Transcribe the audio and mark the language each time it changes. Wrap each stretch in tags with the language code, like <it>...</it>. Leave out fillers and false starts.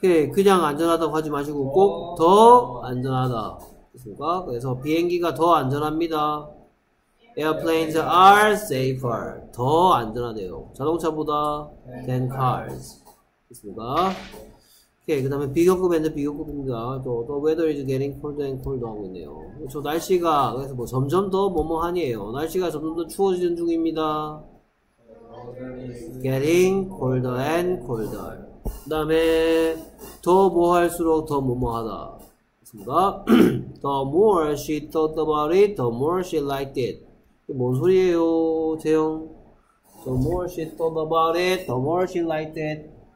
<ko>그냥 안전하다고 하지 마시고 꼭 더 안전하다. 그렇습니까? 그래서 비행기가 더 안전합니다.</ko> <en>Airplanes are safer.</en> <ko>더 안전하대요. 자동차보다</ko> <en>than cars.</en> <ko>그렇습니까? 그 다음에 비교급 엔드 비교급입니다.</ko> <en>The weather is getting colder and colder</en> <ko>하고 있네요. 그렇죠? 날씨가 그래서 뭐 점점 더 뭐뭐하니에요. 날씨가 점점 더 추워지는 중입니다.</ko> <en>Getting colder and colder.</en> <ko>그 다음에 더 뭐 할수록 더 뭐뭐하다. 그렇습니까?</ko> <en>the more she thought about it, the more she liked it.</en> <ko>이게 뭔 소리예요, 재영?</ko> <en>The more she thought about it, the more she liked it.</en>